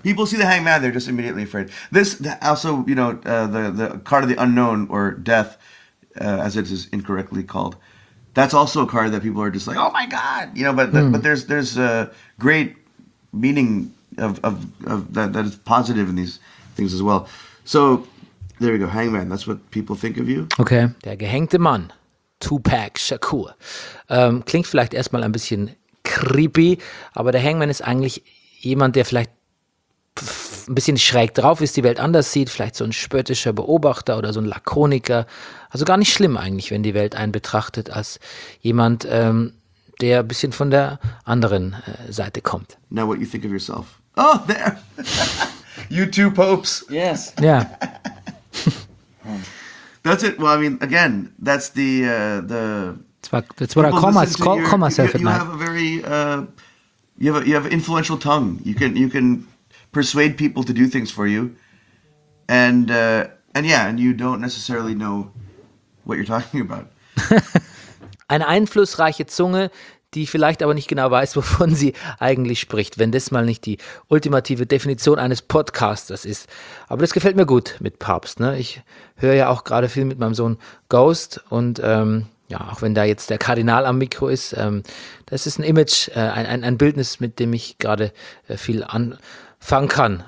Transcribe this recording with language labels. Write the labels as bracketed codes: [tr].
[en] People see the hangman, they're just immediately afraid. This also, you know, the card of the unknown or death, as it is incorrectly called, that's also a card that people are just like, oh my God, you know, but there's a great meaning of that is positive in these things as well. So there you go. Hangman. That's what people think of you. [de] Okay. Der gehängte Mann. Tupac Shakur. Klingt vielleicht erstmal ein bisschen creepy, aber der Hangman ist eigentlich jemand, der vielleicht ein bisschen schräg drauf ist, die Welt anders sieht, vielleicht so ein spöttischer Beobachter oder so ein Lakoniker. Also gar nicht schlimm eigentlich, wenn die Welt einen betrachtet als jemand, der ein bisschen von der anderen Seite kommt. [en] Now what you think of yourself? Oh, there. You two popes. Yes. Yeah. That's it. Well, I mean, again, that's the... That's what I call myself at night. You have a very... You have an influential tongue. You can persuade people to do things for you. And you don't necessarily know what you're talking about. [de] Eine einflussreiche Zunge, die vielleicht aber nicht genau weiß, wovon sie eigentlich spricht, wenn das mal nicht die ultimative Definition eines Podcasters ist. Aber das gefällt mir gut mit Papst. Ne? Ich höre ja auch gerade viel mit meinem Sohn Ghost und auch wenn da jetzt der Kardinal am Mikro ist, das ist ein Image, ein Bildnis, mit dem ich gerade viel anfangen kann.